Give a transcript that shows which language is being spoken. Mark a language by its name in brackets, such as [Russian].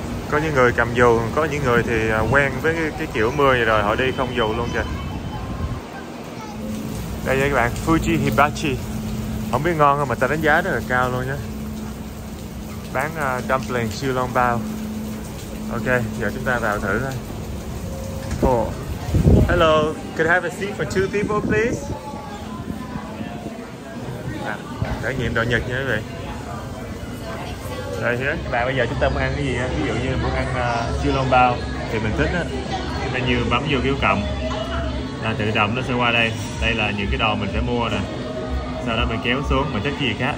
[Vietnamese] Có những người cầm dù, có những người thì quen với cái kiểu mưa vậy rồi, họ đi không dù luôn kìa. Đây nha các bạn, Fuji Hibachi. Không biết ngon không mà ta đánh giá rất là cao luôn nhé. Bán dumpling siêu long bao. Ok, giờ chúng ta vào thử thôi. Oh. [English] Hello, could I have a seat for 2 people please? [Vietnamese] Trải nghiệm đồ Nhật nha các bạn. Rồi các bạn, bây giờ chúng ta muốn ăn cái gì á? Ví dụ như muốn ăn siêu long bao thì mình thích á, chúng ta như bấm vô kêu cộng là tự động nó sẽ qua đây. Đây là những cái đồ mình sẽ mua nè. Sau đó mình kéo xuống, mình thích gì khác.